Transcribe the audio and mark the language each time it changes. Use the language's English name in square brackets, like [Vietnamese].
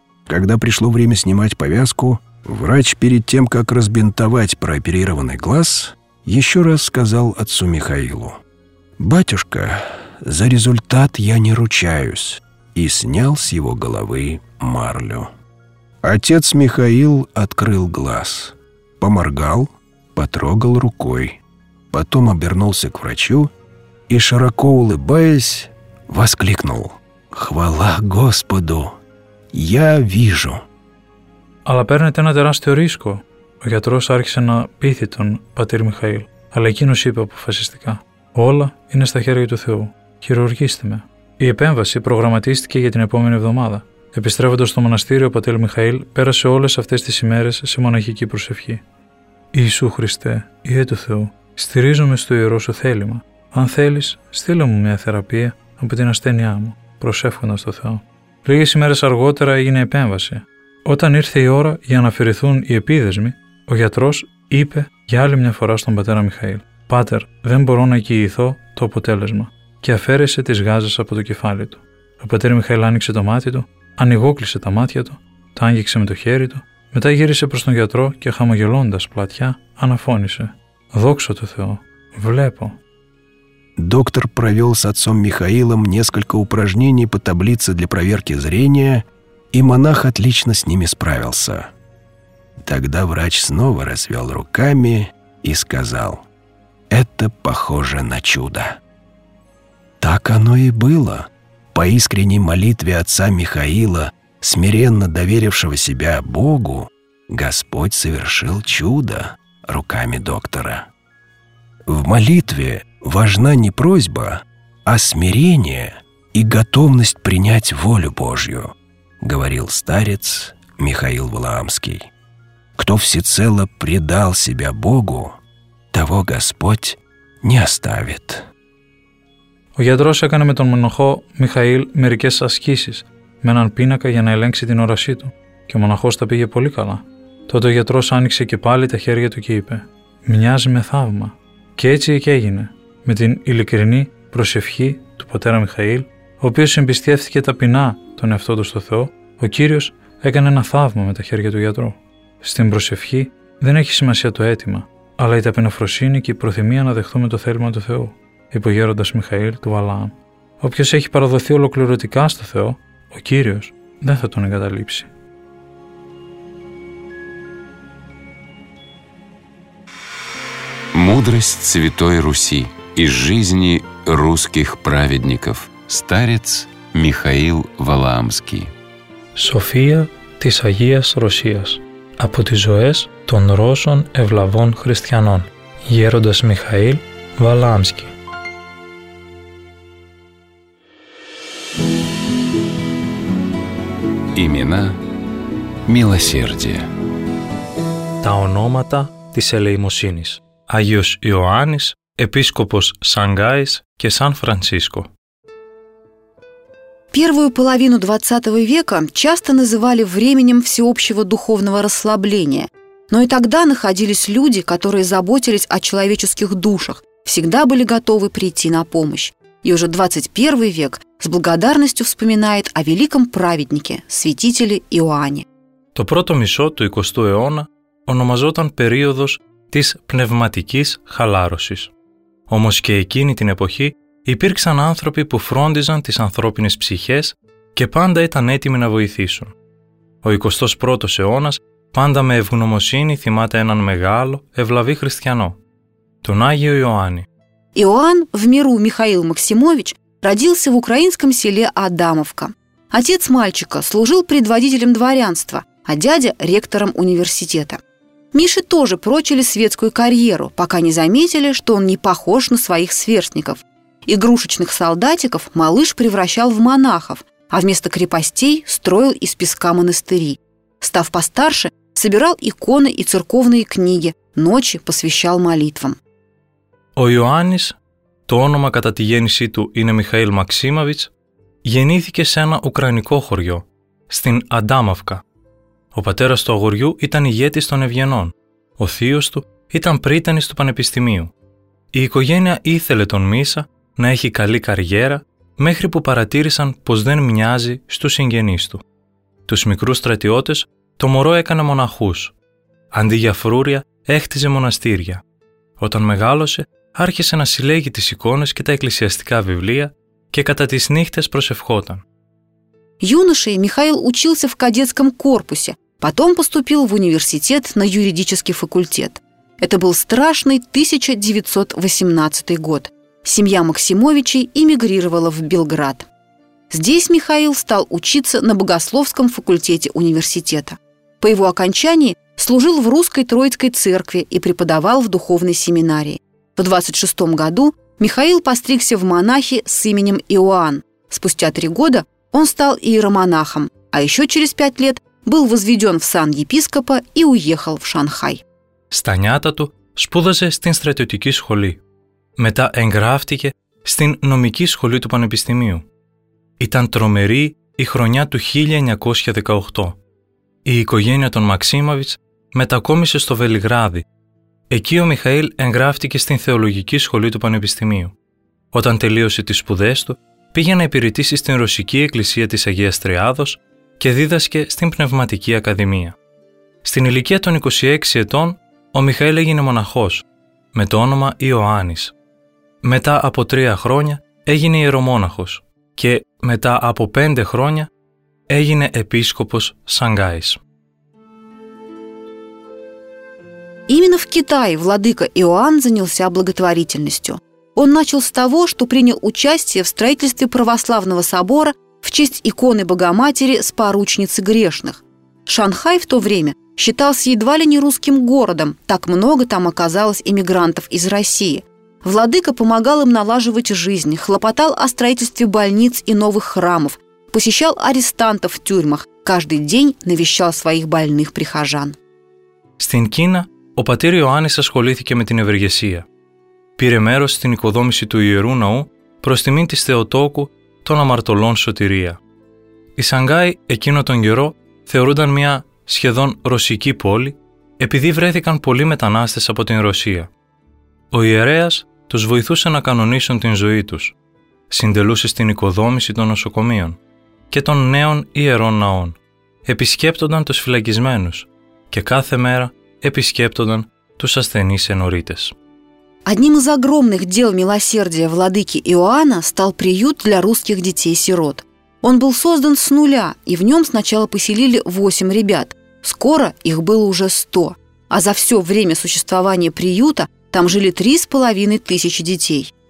[Russian] Когда пришло время снимать повязку, врач перед тем, как разбинтовать прооперированный глаз, еще раз сказал отцу Михаилу: «Батюшка, за результат я не ручаюсь», и снял с его головы марлю. Отец Михаил открыл глаз, поморгал, потрогал рукой, потом обернулся к врачу и, широко улыбаясь, воскликнул: «Хвала Господу! Я вижу!» [Greek] «Αλλά παίρνετε ένα τεράστιο ρίσκο», ο γιατρός άρχισε να πείθει τον πατήρ Μιχαήλ, αλλά εκείνος είπε αποφασιστικά: «Όλα είναι στα χέρια του Θεού. Χειρουργήστε με». Η επέμβαση προγραμματίστηκε για την επόμενη εβδομάδα Επιστρέφοντας στο μοναστήριο, ο πατήρ Μιχαήλ πέρασε όλες αυτές τις ημέρες σε μοναχική προσευχή. «Ιησού Χριστέ, Υιέ του Θεού, στηρίζομαι στο Ιερό Σου θέλημα. Αν θέλεις, στείλε μου μια θεραπεία από την ασθένειά μου», προσεύχοντας στο Θεό. Λίγες ημέρες αργότερα έγινε επέμβαση. Όταν ήρθε η ώρα για να αφαιρεθούν οι επίδεσμοι, ο γιατρός είπε για άλλη μια φορά στον πατέρα Μιχαήλ: «Πάτερ, δεν μπορώ να κοιηθώ το αποτέλεσμα», και αφαίρεσε τις γάζες από το κεφάλι του. Ο πατέρ Μιχαήλ άνοιξε το μάτι του, ανοιγόκλεισε τα μάτια του, τα άγγιξε με το χέρι του, μετά γύρισε προς τον γιατρό και χαμογελώντας πλατιά αναφώνησε: «Δόξα τω Θεώ, βλέπω». [Russian] Доктор провел с отцом Михаилом несколько упражнений по таблице для проверки зрения, и монах отлично с ними справился. Тогда врач снова развел руками и сказал: «Это похоже на чудо». Так оно и было. По искренней молитве отца Михаила, смиренно доверившего себя Богу, Господь совершил чудо руками доктора. В молитве важна не просьба, а смирение и готовность принять волю Божью, говорил старец Михаил Валаамский. Кто всецело предал себя Богу, того Господь не оставит. [Greek] Ο γιατρός έκανε με τον μοναχό Μιχαήλ μερικές ασκήσεις με έναν πίνακα για να ελέγξει την όρασή του και ο μοναχός τα πήγε πολύ καλά. Τότε ο γιατρός άνοιξε και πάλι τα χέρια του και είπε: «Μοιάζει με θαύμα». Και έτσι και έγινε. Με την ειλικρινή προσευχή του πατέρα Μιχαήλ, ο οποίος εμπιστεύθηκε ταπεινά τον εαυτό του στο Θεό, ο Κύριος έκανε ένα θαύμα με τα χέρια του γιατρού. Στην προσευχή δεν έχει σημασία το αίτημα, αλλά η ταπεινοφροσύνη και η προθυμία να δεχθούμε το θέλημα του Θεού, είπε ο γέροντας Μιχαήλ του Βαλάαμ. Όποιος έχει παραδοθεί ολοκληρωτικά στο Θεό, ο Κύριος δεν θα τον εγκαταλείψει. [Russian] Мудрость Святой Руси из жизни русских праведников. Старец Михаил Валаамский. [Greek] София της Αγίας Ρωσίας. Από τις ζωές των Ρώσων ευλαβών χριστιανών. Γέροντας Μιχαήλ Βαλάμσκι. [Russian] Имена милосердия. [Greek] Τα ονόματα της ελεημοσύνης. Άγιος Ιωάννης, επίσκοπος Σανγκάης και Σαν Φρανσίσκο. [Russian] Первую половину 20 века часто называли временем всеобщего духовного расслабления. Но и тогда находились люди, которые заботились о человеческих душах, всегда были готовы прийти на помощь. И уже 21 век с благодарностью вспоминает о великом праведнике, святителе Иоанне. [Greek] То прото мисо ту 20-го эона ономазотан периодос της πνευματικής χαλάρωσης. Όμως και εκείνη την εποχή υπήρξαν άνθρωποι που φρόντιζαν τις ανθρώπινες ψυχές και πάντα ήταν έτοιμοι να βοηθήσουν. Ο 21ος αιώνας πάντα με ευγνωμοσύνη θυμάται έναν μεγάλο, ευλαβή χριστιανό, τον Άγιο Ιωάννη. [Russian] Ιωάνν, в миру Михаил Максимович, родился в украинском селе Адамовка. Отец мальчика служил предводителем дворянства, а дядя – ректором университета. Мише тоже прочили светскую карьеру, пока не заметили, что он не похож на своих сверстников. Игрушечных солдатиков малыш превращал в монахов, а вместо крепостей строил из песка монастыри. Став постарше, собирал иконы и церковные книги, ночи посвящал молитвам. [Greek] Ο Ιωάννης, το όνομα κατά τη γέννησή του είναι Михаил Максимович, γεννήθηκε σε ένα ουκρανικό χωριό, στην Αντάμαυκα. Ο πατέρας του αγοριού ήταν ηγέτης των Ευγενών. Ο θείος του ήταν πρίτανης του Πανεπιστημίου. Η οικογένεια ήθελε τον Μίσα να έχει καλή καριέρα, μέχρι που παρατήρησαν πως δεν μοιάζει στους συγγενείς του. Τους μικρούς στρατιώτες το μωρό έκανε μοναχούς. Αντί για φρούρια, έκτιζε μοναστήρια. Όταν μεγάλωσε, άρχισε να συλλέγει τις εικόνες και τα εκκλησιαστικά βιβλία και κατά τις νύχτες προσευχόταν. [Russian] Юношей Михаил учился в кадетском корпусе, потом поступил в университет на юридический факультет. Это был страшный 1918 год. Семья Максимовичей эмигрировала в Белград. Здесь Михаил стал учиться на богословском факультете университета. По его окончании служил в Русской Троицкой церкви и преподавал в духовной семинарии. В 26-м году Михаил постригся в монахи с именем Иоанн. Спустя три года он стал иеромонахом, а еще через 5 лет был возведен в сан епископа и уехал в Шанхай. [Greek] Στα νιάτα του σπούδαζε στην στρατιωτική σχολή. Μετά εγγράφτηκε στην νομική σχολή του Πανεπιστημίου. Ήταν τρομερή η χρονιά του 1918. Η οικογένεια των Μαξίμοβιτς μετακόμισε στο Βελιγράδι. Εκεί ο Μιχαήλ εγγράφτηκε στην θεολογική σχολή του Πανεπιστημίου. Όταν τελείωσε τις σπουδές του, πήγε να υπηρετήσει στην Ρωσική Εκκλησία της Αγίας Τριάδος και δίδασκε στην Πνευματική Ακαδημία. Στην ηλικία των 26 ετών, ο Μιχαήλ έγινε μοναχός, με το όνομα Ιωάννης. Μετά από 3 χρόνια έγινε ιερομόναχος και μετά από 5 χρόνια έγινε επίσκοπος Σανγκάης. [Russian] Именно в Китае владыка Иоанн занялся благотворительностью. Он начал с того, что принял участие в строительстве православного собора в честь иконы Богоматери с поручницы грешных. Шанхай в то время считался едва ли не русским городом, так много там оказалось эмигрантов из России. Владыка помогал им налаживать жизнь, хлопотал о строительстве больниц и новых храмов, посещал арестантов в тюрьмах, каждый день навещал своих больных прихожан. Стенкина. [Greek] Ο πατήρ Ιωάννης ασχολήθηκε με την ευεργεσία. Πήρε μέρος στην οικοδόμηση του Ιερού Ναού προς τιμήν της Θεοτόκου των Αμαρτωλών Σωτηρία. Η Σανγκάη εκείνο τον καιρό θεωρούνταν μια σχεδόν ρωσική πόλη επειδή βρέθηκαν πολλοί μετανάστες από την Ρωσία. Ο ιερέας τους βοηθούσε να κανονίσουν την ζωή τους. Συντελούσε στην οικοδόμηση των νοσοκομείων και των νέων ιερών ναών. Επισκέπτονταν τους φυλακισμένους και κάθε μέρα επισκέπτονταν τους ασθενείς ενορίτες. [Russian] Одним из огромных дел милосердия владыки Иоанна стал приют для русских детей-сирот. Он был создан с нуля, и в нем сначала поселили 8 ребят. Скоро их было уже 100. А за все время существования приюта там жили 3500 детей.